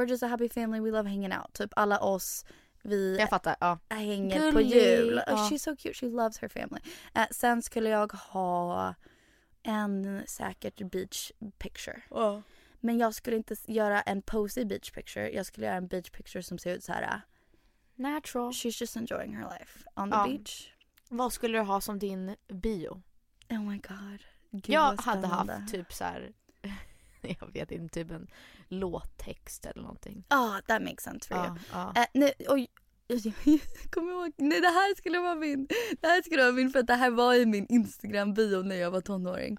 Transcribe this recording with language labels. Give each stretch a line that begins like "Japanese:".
English: We're just a happy family. We love hanging out.
Swedish: Typ alla oss. Vi jag fattar, ja. Hänger Gulli. På jul. Ja.
English: She's so cute. She loves her family.
Swedish: Sen skulle jag ha... en säkert beach picture. Oh. Men jag skulle inte göra en posy beach picture. Jag skulle göra en beach picture som ser ut så här.
English: Natural. She's just enjoying her life on the beach.
Swedish: Vad skulle du ha som din bio?
English: Oh my god.
Swedish: Gud, jag hade haft typ så här. Jag vet inte, typ en låttext eller någonting.
English: Ja, oh, that makes sense for you.
Swedish: Nej, det här skulle vara min. Det här skulle vara min, för att det här var ju min Instagram-bio när jag var tonåring.